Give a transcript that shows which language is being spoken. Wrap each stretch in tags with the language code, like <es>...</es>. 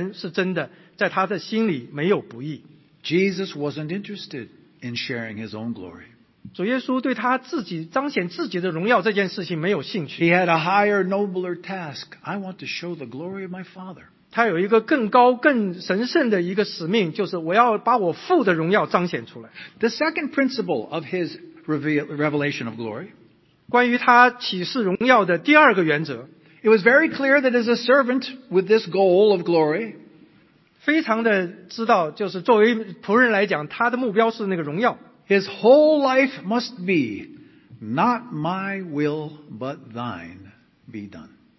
<zh>唯有求那猜他来者的荣耀，这人是真的，在他的心里没有不义。</zh> <en>Jesus wasn't interested in sharing his own glory.</en> <zh>主耶稣对他自己彰显自己的荣耀这件事情没有兴趣。</zh> <en>He had a higher, nobler task. I want to show the glory of my Father.</en> <zh>他有一个更高、更神圣的一个使命，就是我要把我父的荣耀彰显出来。</zh> <en>The second principle of his revelation of glory.</en> <zh>关于他启示荣耀的第二个原则。</zh> <en>It was very clear that as a servant with this goal of glory,</en> <zh>非常的知道，就是作为仆人来讲，他的目标是那个荣耀。</zh> <en>His whole life must be, not my will, but thine be done.</en>